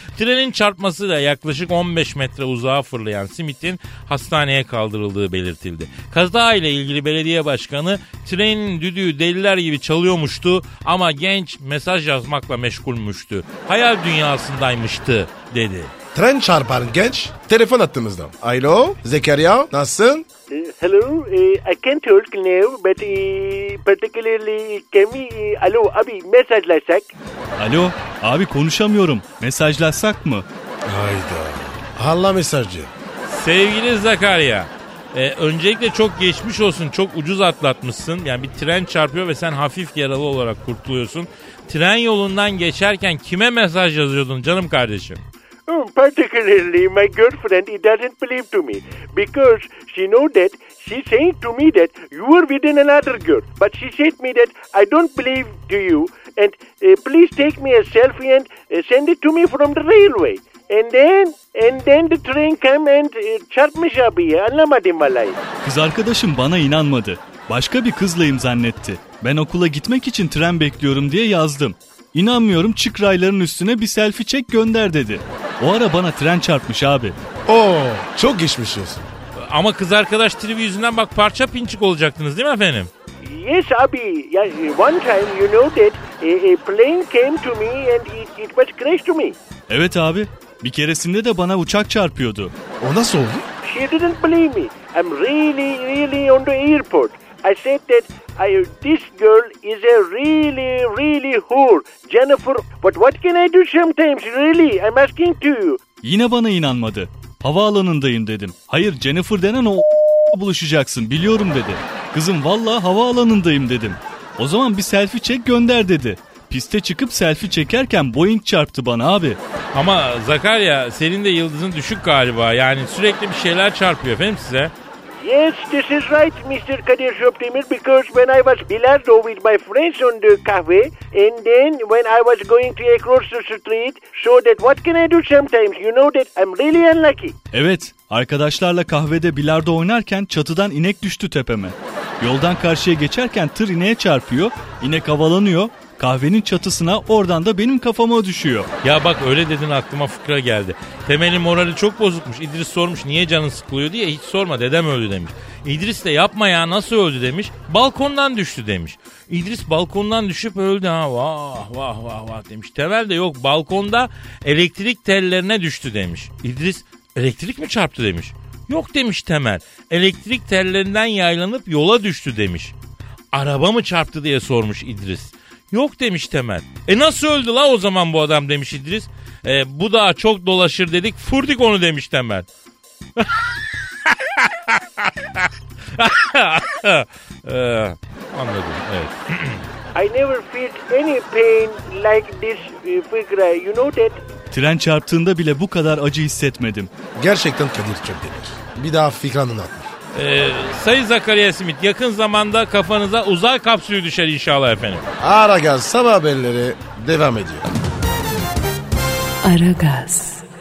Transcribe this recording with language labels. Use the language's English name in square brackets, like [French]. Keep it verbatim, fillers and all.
[Turkish] Trenin çarpmasıyla yaklaşık on beş metre uzağa fırlayan Smith'in hastaneye kaldırıldığı belirtildi. Kaza ile ilgili belediye başkanı trenin düdüğü deliler gibi çalıyormuştu ama genç mesaj yazmakla meşgulmüştü. Hayal dünyasındaymıştı dedi. Tren çarpan genç telefon attığımızda. Alo Zekeriya, nasılsın? [English] Hello, I can't talk now, but particularly can we, [Turkish] alo abi mesajlaşsak? Alo abi konuşamıyorum, mesajlaşsak mı? Hayda, Allah mesajcı. Sevgili Zekeriya, e, öncelikle çok geçmiş olsun, çok ucuz atlatmışsın. Yani bir tren çarpıyor ve sen hafif yaralı olarak kurtuluyorsun. Tren yolundan geçerken kime mesaj yazıyordun canım kardeşim? [English] Oh, particularly my girlfriend, it doesn't believe to me because she know that she saying to me that you were with another girl, but she said me that I don't believe to you and uh, please take me a selfie and uh, send it to me from the railway. And then and then the train came and uh, [Turkish] çarpmış abi, anlamadım vallahi. Kız arkadaşım bana inanmadı. Başka bir kızlayım zannetti. Ben okula gitmek için tren bekliyorum diye yazdım. İnanmıyorum, çık rayların üstüne bir selfie çek gönder dedi. O ara bana tren çarpmış abi. Oo, çok geçmiş olsun. Ama kız arkadaş tribi yüzünden bak parça pinçik olacaktınız değil mi efendim? [English] Yes abi. One time you know that a plane came to me and it, it was crashed to me. [Turkish] Evet abi. Bir keresinde de bana uçak çarpıyordu. O nasıl oldu? [English] She didn't believe me. I'm really really on the airport. I said that I, this girl is a really, really whore, Jennifer. But what can I do sometimes, really? I'm asking to you. [Turkish] Yine bana inanmadı. Havaalanındayım dedim. Hayır, Jennifer denen o buluşacaksın, biliyorum dedi. Kızım valla havaalanındayım dedim. O zaman bir selfie çek gönder dedi. Piste çıkıp selfie çekerken Boeing çarptı bana abi. Ama Zakarya senin de yıldızın düşük galiba. Yani sürekli bir şeyler çarpıyor efendim size. [English] Yes, this is right, Mister Kadir Şöpdemir, because when I was bilardo with my friends on the cafe, and then when I was going to across the street, so that what can I do sometimes? You know that I'm really unlucky. [Turkish] Evet, arkadaşlarla kahvede bilardo oynarken çatıdan inek düştü tepeme. Yoldan karşıya geçerken tır ineğe çarpıyor, inek havalanıyor, kahvenin çatısına, oradan da benim kafama düşüyor. Ya bak öyle dedin, aklıma fıkra geldi. Temel'in morali çok bozukmuş. İdris sormuş niye canın sıkılıyor diye. Hiç sorma, dedem öldü demiş. İdris de yapma ya, nasıl öldü demiş. Balkondan düştü demiş. İdris balkondan düşüp öldü ha, vah vah vah vah demiş. Temel de yok, balkonda elektrik tellerine düştü demiş. İdris elektrik mi çarptı demiş. Yok demiş Temel, elektrik tellerinden yaylanıp yola düştü demiş. Araba mı çarptı diye sormuş İdris. Yok demiş Temel. E nasıl öldü la o zaman bu adam demiş İdris. E, bu daha çok dolaşır dedik, fırdık onu demiş Temel. e, anladım, evet. [English] I never felt any pain like this figure, you know that. [Turkish] Tren çarptığında bile bu kadar acı hissetmedim. Gerçekten Kadir Çöpdemir. Bir daha fikranın atmış. Ee, Sayın Zakaria Simit, yakın zamanda kafanıza uzay kapsülü düşer inşallah efendim. Aragaz sabah haberleri devam ediyor. Aragaz.